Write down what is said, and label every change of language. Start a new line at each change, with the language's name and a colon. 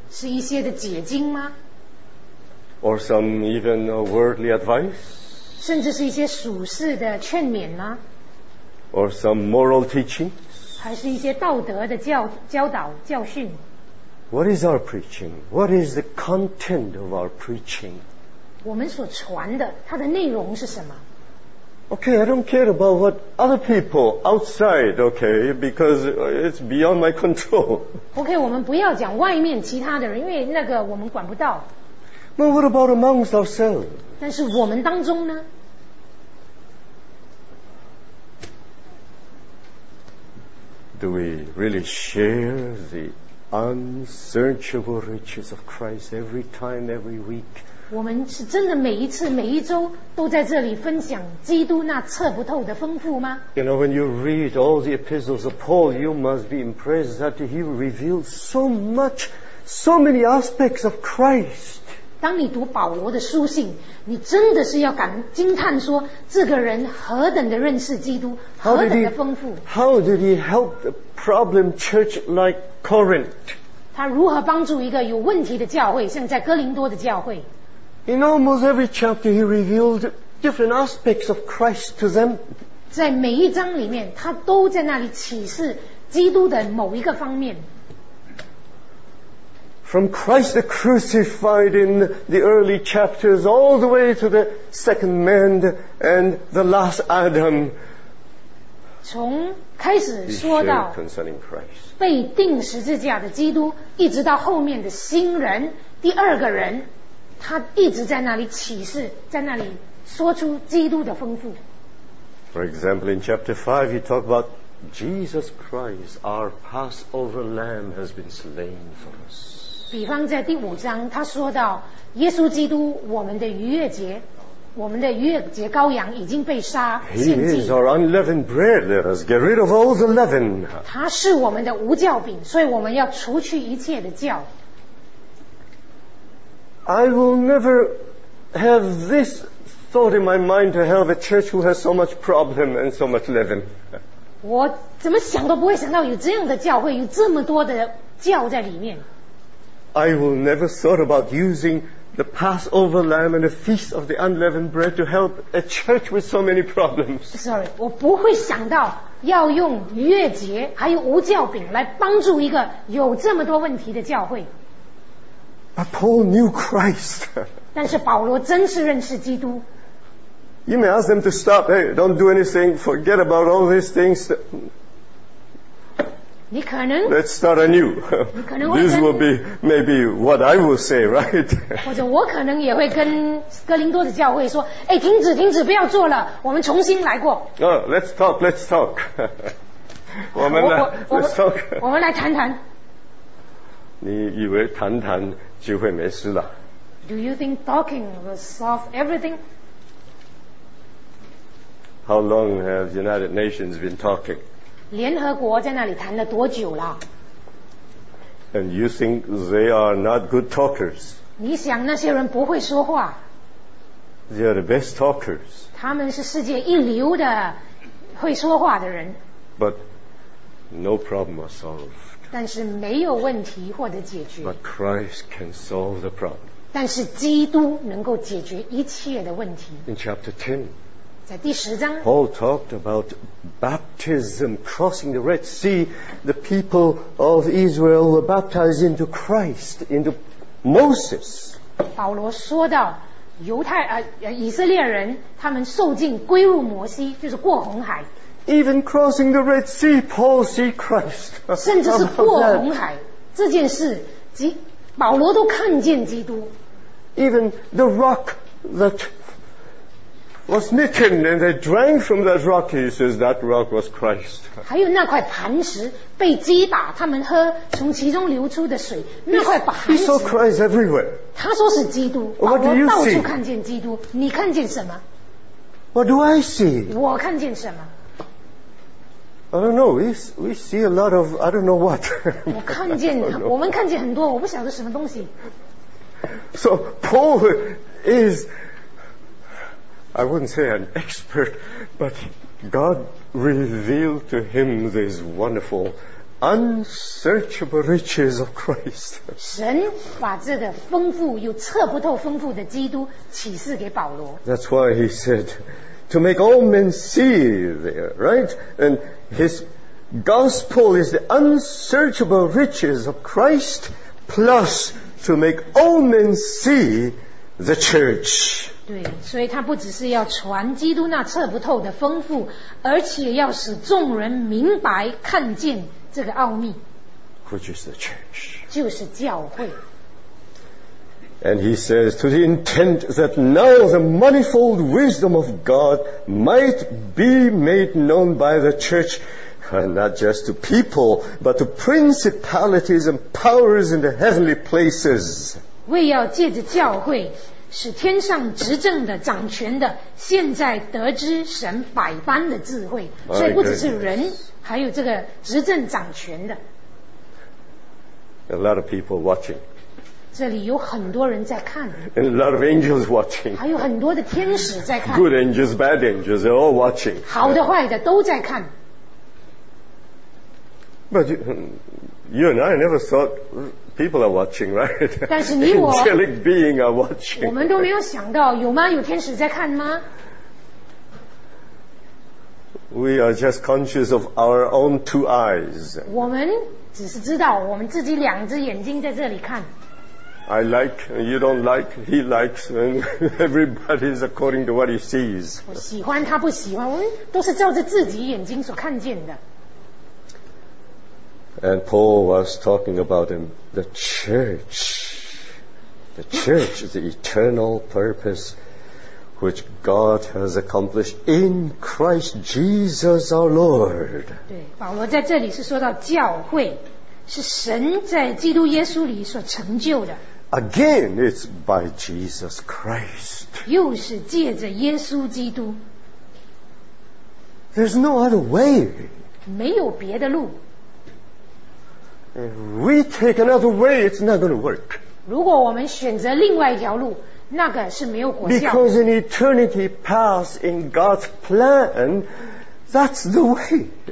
Chinese: 是一些的解经吗？
English: Or some even worldly advice?
Chinese: 甚至是一些属世的劝勉吗？
English: Or some moral teaching?
Chinese: 还是一些道德的 教导教训？
English: What is our preaching? What is the content of our preaching?
Chinese: 我们所传的它的内容是什么？
English: Okay, I don't care about what other people outside, okay, because it's beyond my control.
Chinese: Okay, 我们不要讲外面其他的人，因为那个我们管不到。
English: But what about amongst ourselves?
Chinese: 但是我们当中呢？
English: Do we really share the unsearchable riches of Christ every time, every week.
Chinese: 我们是真的每一次每一周都在这里分享基督那测不透的丰富吗？
English: You know, when you read all the epistles of Paul, you must be impressed that he reveals so much, so many aspects of Christ.
Chinese: 当你读保罗的书信，你真的是要感惊叹说，这个人何等的认识基督，何等的丰富。
English: How did he help the problem church like Corinth?
Chinese: 他如何帮助一个有问题的教会，像在哥林多的教会
English: ？In almost every chapter, he revealed different aspects of Christ to them.
Chinese: 在每一章里面，他都在那里启示基督的某一个方面。
English: From Christ the crucified in the early chapters, all the way to the second man and the last Adam.
Chinese: 从开始说到被钉十字架的基督，一直到后面的新人，第二个人，他一直在那里启示，在那里说出基督的丰富。
English: For example, in chapter 5, he talked about Jesus Christ, our Passover lamb has been slain for us.
Chinese: 比方在第五章他说到耶稣基督我们的逾越节我们的逾越节羔羊已经被杀献祭
English: He is our unleavened bread Let us get rid of all the leaven
Chinese: 他是我们的无酵饼所以我们要除去一切的酵
English: I will never have this thought in my mind to have a church who has so much problem and so much leaven
Chinese: 我怎么想都不会想到有这样的教会有这么多的酵在里面
English: I will never thought about using the Passover lamb and the feast of the unleavened bread to help a church with so many problems. Sorry,
Chinese: 我不会想到要用逾越节还有无酵饼来帮助一个有这么多问题的教会。
English: But Paul knew Christ.
Chinese: 但是保罗真是认识基督。
English: You may ask them to stop. Hey, don't do anything. Forget about all these things.
Chinese: 你可能
English: Let's start anew. This will be maybe what I will say, right?
Chinese: 或者我可能也会跟哥林多的教会说，哎，停止，停止，不要做了，我们重新来过。
English: Oh, let's talk, let's talk.
Chinese: 我们来 ，
English: let's talk.
Chinese: 我们来谈谈。你以为谈谈就会没事了
English: ？Do you think talking will solve everything? How long have the United Nations been talking?
Chinese: 联合国在那里谈了多久了
English: And you think they are not good talkers?
Chinese: 你想那些人不会说话
English: They are the best talkers.
Chinese: 他们是世界一流的会说话的人
English: But no problem was solved.
Chinese: 但是没有问题获得解决
English: But Christ can solve the problem.
Chinese: 但是基督能够解决一切的问题
English: In chapter 10
Chinese: 在第十章
English: Paul talked about baptism crossing the Red Sea the people of Israel were baptized into Christ into Moses
Chinese: 保罗说到犹太、以色列人他们受浸归入摩西就是过红海
English: even crossing the Red Sea Paul see Christ
Chinese: 甚至是过红海这件事即保罗都看见基督
English: even the rock thatwas smitten and they drank from that rock he says that rock was Christ
Chinese: 还有那块磐石被击打他们喝从其中流出的水那块磐石
English: he saw Christ everywhere
Chinese: 他说是基督
English: What do you see?
Chinese: 到处看见基督你看见什么
English: What do I see?
Chinese: 我看见什么
English: I don't know we see a lot of I don't know what
Chinese: 我们看见很多我不晓得什么东西
English: So Paul isI wouldn't say an expert, but God revealed to him these wonderful, unsearchable riches of Christ.
Chinese: 神把这个丰富又测不透丰富的基督启示给保罗。
English: That's why he said, to make all men see there, right? And his gospel is the unsearchable riches of Christ, plus to make all men see the church.
Chinese: 对，所以他不只是要传基督那测不透的丰富，而且要使众人明白看见这个奥秘。
English: Which is the church?
Chinese: 就是教会。
English: And he says to the intent that now the manifold wisdom of God might be made known by the church, And not just to people, but to principalities and powers in the heavenly places.
Chinese: 为要借着教会，使天上执政的、掌权的，现在得知神百般的智慧。所以不只是人，还有这个执政掌权的。
English: A lot of people watching.
Chinese: 这里有很多人在看。
English: And a lot of angels watching.
Chinese: 还有很多的天使在看。
English: Good angels, bad angels, they're all watching.
Chinese: 好的、坏的都在看。
English: But you and I never thought people are watching, right?
Chinese: 但是你我
English: angelic being are watching.
Chinese: 我们都没有想到，有吗？有天使在看吗？
English: We are just conscious of our own two eyes.
Chinese: 我们只是知道我们自己两只眼睛在这里看。
English: I like, you don't like, he likes, and everybody is according to what he sees.
Chinese: 我喜欢他不喜欢，我们都是照着自己眼睛所看见的。
English: And Paul was talking about him, the church. The church is the eternal purpose which God has accomplished in Christ Jesus our Lord.
Chinese: 对，保罗在这里是说到教会，是神在基督耶稣里所成就的。
English: Again, it's by Jesus Christ.
Chinese: 又是借着耶稣基督。
English: There's no other way.
Chinese: 没有别的路。
English: If we take another way, it's not going to work.
Chinese: 如果我们选择另外一条路，那个是没有果效。
English: Because in eternity past, in God's plan, that's the way.